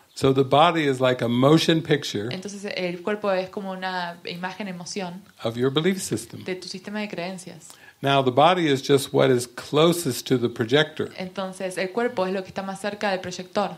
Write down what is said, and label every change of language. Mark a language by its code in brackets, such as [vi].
[en] So the body is like a motion picture. [es] Entonces el cuerpo es como una imagen emoción. [en] Of your belief system. [es] De tu sistema de creencias. [en] Now the body is just what is closest to the projector. [es] Entonces el cuerpo es lo que está más cerca del proyector.